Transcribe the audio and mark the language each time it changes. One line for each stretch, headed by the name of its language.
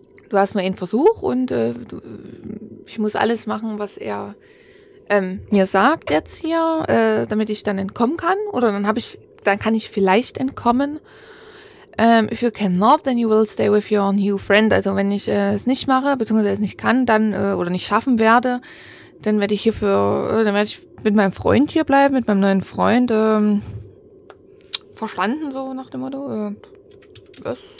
German: Du hast mal einen Versuch und ich muss alles machen, was er... mir sagt jetzt hier, damit ich dann entkommen kann, oder dann kann ich vielleicht entkommen.
English: If you cannot, then you will stay with your new friend.
German: Also wenn ich es nicht mache, beziehungsweise es nicht kann, dann, oder nicht schaffen werde, dann werde ich hier für, dann werde ich mit meinem Freund hier bleiben, mit meinem neuen Freund, verstanden, so nach dem Motto, was?